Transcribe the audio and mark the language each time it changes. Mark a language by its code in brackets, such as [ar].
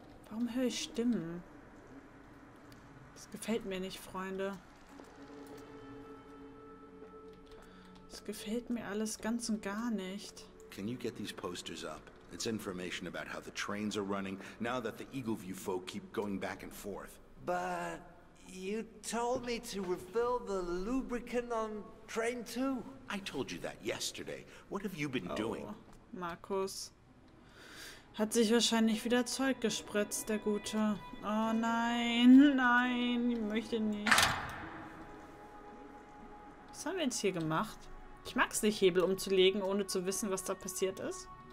[de] Warum höre ich Stimmen? Das gefällt mir nicht, Freunde. Das gefällt mir alles ganz und gar nicht. [en] Can you get these posters up? It's information about how the trains are running, now that the Eagleview folk keep going back and forth. But you told me to refill the lubricant on train 2. I told you that yesterday. What have you been doing? [de] Markus hat sich wahrscheinlich wieder Zeug gespritzt, der Gute. Oh nein, nein, ich möchte nicht. Was haben wir jetzt hier gemacht? Ich mag es nicht, Hebel umzulegen, ohne zu wissen, was da passiert ist.